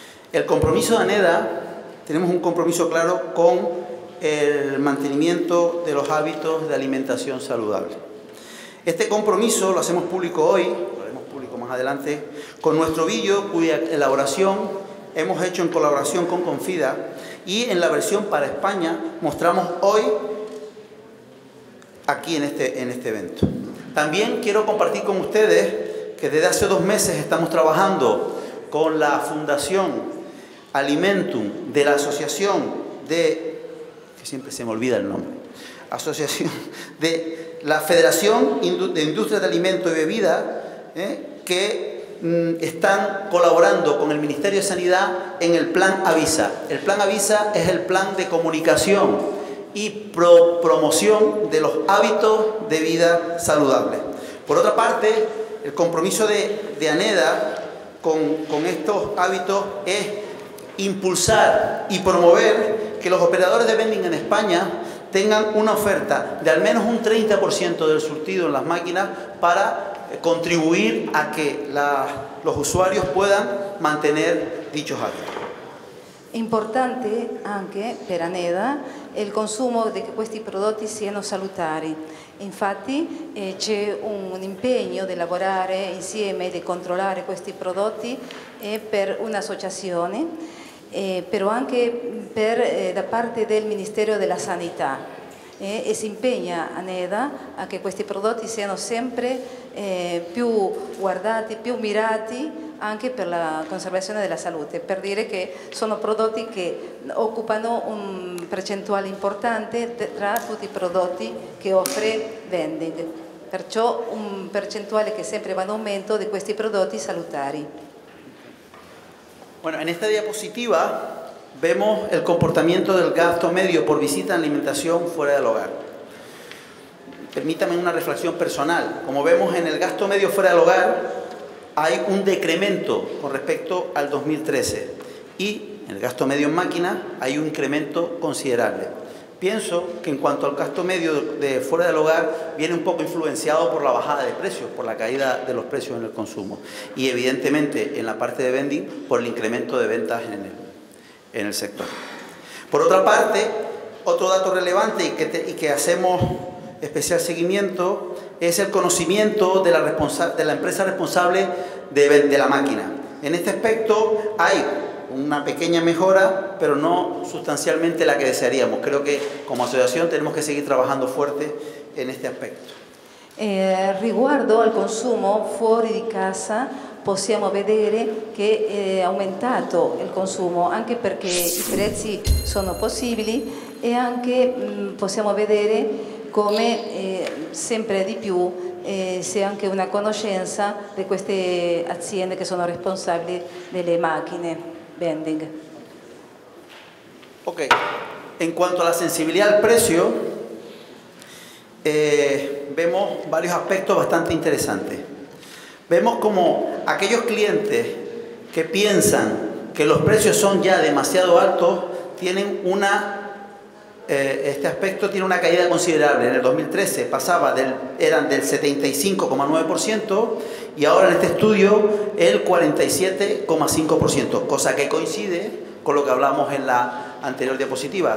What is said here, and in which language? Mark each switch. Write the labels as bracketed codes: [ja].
[it] Il compromesso d'Aneda, abbiamo un compromesso chiaro con il mantenimento dei hábiti di alimentazione saludabile. Questo compromesso lo facciamo pubblico oggi, lo faremo pubblico più avanti, con il nostro video, [es] cuya [it] elaborazione abbiamo fatto in collaborazione con Confida. [es] Y en la versión para España mostramos hoy aquí en este evento. También quiero compartir con ustedes que desde hace 2 meses estamos trabajando con la Fundación Alimentum de la Asociación de, que siempre se me olvida el nombre, Asociación de la Federación de Industria de Alimentos y Bebidas, que están colaborando con el Ministerio de Sanidad en el Plan Avisa. El Plan Avisa es el plan de comunicación y promoción de los hábitos de vida saludables. Por otra parte, el compromiso de ANEDA con estos hábitos es impulsar y promover que los operadores de vending en España tengan una oferta de al menos un 30% del surtido en las máquinas para contribuir a que los usuarios puedan mantener dichos hábitos. [it] Importante anche per ANEDA il consumo di questi prodotti siano salutari. Infatti c'è un impegno di lavorare insieme, di controllare questi prodotti per un'associazione, però anche da parte del Ministero della Sanità. E si impegna ANEDA a che questi prodotti siano sempre più guardati, più mirati anche per la conservazione della salute, per dire che sono prodotti che occupano un percentuale importante tra tutti i prodotti che offre vending, perciò un percentuale che sempre va in aumento di questi prodotti salutari. [es] Bueno, en esta diapositiva vemos el comportamiento del gasto medio por visita en alimentación fuera del hogar. Permítame una reflexión personal. Como vemos, en el gasto medio fuera del hogar hay un decremento con respecto al 2013 y en el gasto medio en máquina hay un incremento considerable. Pienso que en cuanto al gasto medio de fuera del hogar viene un poco influenciado por la bajada de precios, por la caída de los precios en el consumo y evidentemente en la parte de vending por el incremento de ventas en el sector. Por otra parte, otro dato relevante y que hacemos especial seguimiento es el conocimiento de la empresa responsable de la máquina. En este aspecto hay una pequeña mejora, pero no sustancialmente la que desearíamos. Creo que como asociación tenemos que seguir trabajando fuerte en este aspecto. [it] Riguardo al consumo fuori di casa, possiamo vedere che è aumentato il consumo anche perché i prezzi sono possibili e anche possiamo vedere come sempre di più c'è anche una conoscenza di queste aziende che sono responsabili delle macchine vending. Ok, in quanto alla sensibilità al prezzo, [es] vemos [it] vari aspetti [es] bastante [it] interessanti. [es] Vemos como aquellos clientes que piensan que los precios son ya demasiado altos tienen una este aspecto tiene una caída considerable. En el 2013 pasaba eran del 75,9% y ahora en este estudio el 47,5%, cosa que coincide con lo que hablamos en la anterior diapositiva.